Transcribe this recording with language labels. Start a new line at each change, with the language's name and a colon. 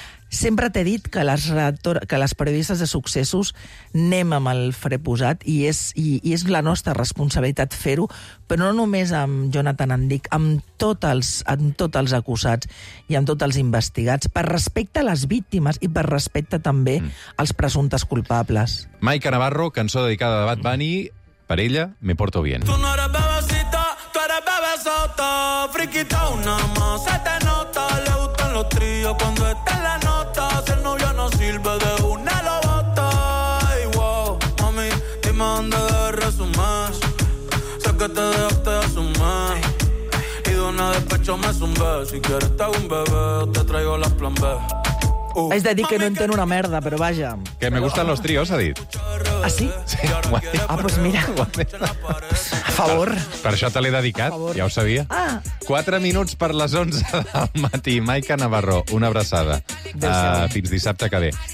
Catalan: Sempre t'he dit que les periodistes de successos anem amb el fre posat i és la nostra responsabilitat fer-ho, però no només amb Jonathan Andic, amb tots els acusats i amb tots els investigats, per respecte a les víctimes i per respecte també als presumptes culpables. Maica Navarro, cançó dedicada a Bad Bunny, per ella, Me Porto Bien.
Spanish: Tu no eres babacita, tu eres babasota, friquita una mà, se te nota, le gustan los tríos cuando está en la nota, si el novio no sirve de una lo bota. Ay, wow, mami, dime dónde debes resumir, sé que te dejaste de asumir, y de una despecho me zumbé, si quieres te hago un bebé, te traigo las plan B.
Catalan: Es de dir que no entén una merda, però vaja. Que
Spanish: me gustan los tríos,
Catalan: ha dit. Ah, sí? Sí. Ah, pues mira. A favor. Per això te l'he dedicat, ja ho sabia. Ah. 4 minuts per les 11 del matí. Maica Navarro, una abraçada. Fins dissabte que ve.